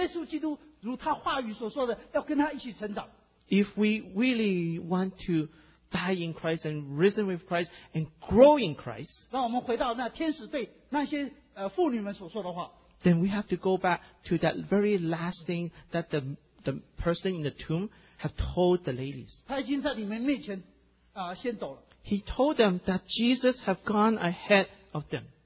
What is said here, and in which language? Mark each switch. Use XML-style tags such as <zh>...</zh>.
<zh>如果我们真的要在耶稣基督和耶稣基督如他话语所说的, 要跟他一起成长,</zh> <en>if we really want to die in Christ and risen with Christ and grow in Christ,</en> <zh>让我们回到那天使对那些妇女们所说的话,</zh> <en>then we have to go back to that very last thing that the person in the tomb have told the ladies.</en> <zh>他已经在你们面前先走了。</zh> <en>He told them that Jesus have gone ahead of them.</en>